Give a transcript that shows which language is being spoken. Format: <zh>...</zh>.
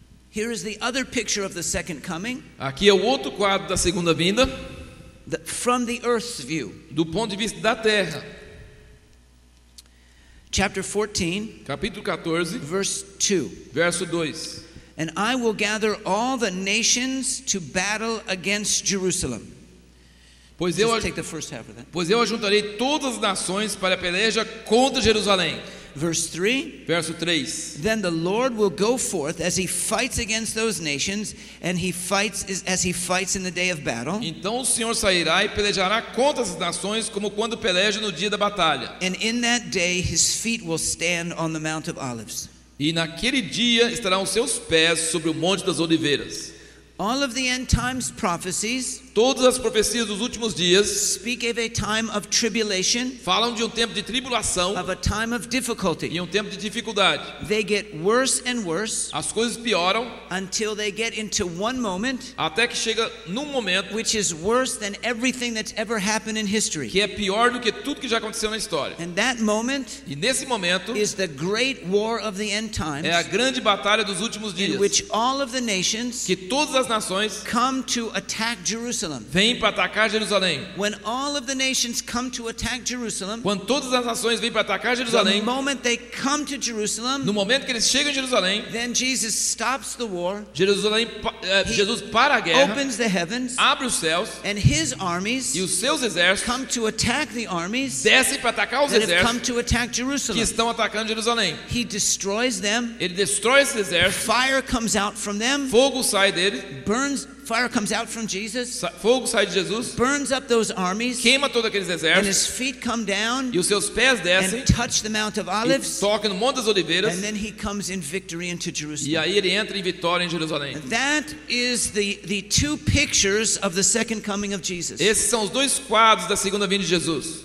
<en>Here is the other picture of the second coming.</en> <pt>Aqui é o outro quadro da segunda vinda.</pt> <en>From the earth's view.</en> <pt>Do ponto de vista da terra.</pt> <en>Chapter 14,</en> <pt>capítulo 14,</pt> <en>verse 2.</en> <pt>Verso 2.</pt> <en>And I will gather all the nations to battle against Jerusalem.</en> <pt>Pois</pt> <en>Just</en> <pt>eu</pt> <en>take the first half of that.</en> <pt>Pois eu ajuntarei todas as nações para a peleja contra Jerusalém.</pt> <en>Verse 3.</en> <pt>Verso 3.</pt> <en>Then the Lord will go forth as he fights against those nations, and he fights as he fights in the day of battle.</en> <pt>Então o Senhor sairá e pelejará contra as nações como quando peleja no dia da batalha.</pt> <en>And in that day his feet will stand on the Mount of Olives.</en> <pt>E naquele dia estarão seus pés sobre o Monte das Oliveiras.</pt> <en>All of the end times prophecies,</en> <pt>Todas as profecias dos últimos dias</pt> <en>speak of a time of tribulation,</en> <pt>falam de um tempo de tribulação,</pt> <en>of a time of difficulty.</en> <pt>E um tempo de dificuldade.</pt> <en>They get worse and worse,</en> <pt>as coisas pioram,</pt> <en>until they get into one moment,</en> <pt>até que chega num momento,</pt> <en>which is worse than everything that's ever happened in history.</en> <pt>Que é pior do que tudo que já aconteceu na história.</pt> <en>And that moment,</en> <pt>e nesse momento,</pt> <en>is the great war of the end times,</en> <pt>é a grande batalha dos últimos dias,</pt> <en>in which all of the nations,</en> <pt>que todas as nações,</pt> <en>come to attack Jerusalem.</en> <pt>Vem para atacar Jerusalém.</pt> <en>When all of the nations come to attack Jerusalem,</en> <pt>quando todas as nações vêm para atacar Jerusalém,</pt> <en>the moment they come to Jerusalem,</en> <pt>no momento que eles chegam em Jerusalém,</pt> <en>then Jesus stops the war.</en> <pt>Jesus para a guerra.</pt> <en>Opens the heavens,</en> <pt>abre os céus,</pt> <en>and his armies,</en> <pt>e os seus exércitos,</pt> <en>come to attack the armies,</en> <pt>descem para atacar os exércitos,</pt> <en>that have come to attack Jerusalem,</en> <pt>que estão atacando Jerusalém.</pt> <en>He destroys them.</en> <pt>Ele destrói esses exércitos.</pt> <en>Fire comes out from them.</en> <pt>Fogo sai dele.</pt> <en>Burns. Fire comes out from Jesus.</en> <pt>Fogo sai de Jesus.</pt> <en>Burns up those armies.</en> <pt>Queima todos aqueles exércitos.</pt> <en>And his feet come down.</en> <pt>E os seus pés descem.</pt> <en>And touch the Mount of Olives.</en> <pt>E toca no Monte das Oliveiras.</pt> <en>And then he comes in victory into Jerusalem.</en> <pt>E aí ele entra em vitória em Jerusalém.</pt> <en>And that is the two pictures of the second coming of Jesus.</en> <pt>Esses são os dois quadros da segunda vinda de Jesus.</pt>